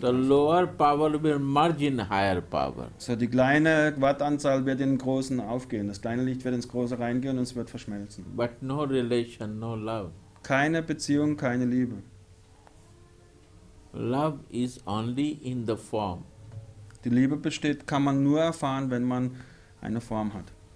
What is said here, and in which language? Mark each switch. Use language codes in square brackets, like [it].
[de] Kraft. [en] The lower power will merge in higher power. [de] So die kleine Wattanzahl wird in den großen aufgehen, das kleine Licht wird ins große reingehen und es wird verschmelzen. [en] But no relation, no love. [de] Keine Beziehung, keine Liebe. [en] Love is only in the form. [de] Die Liebe besteht, kann man nur erfahren, wenn man eine Form hat.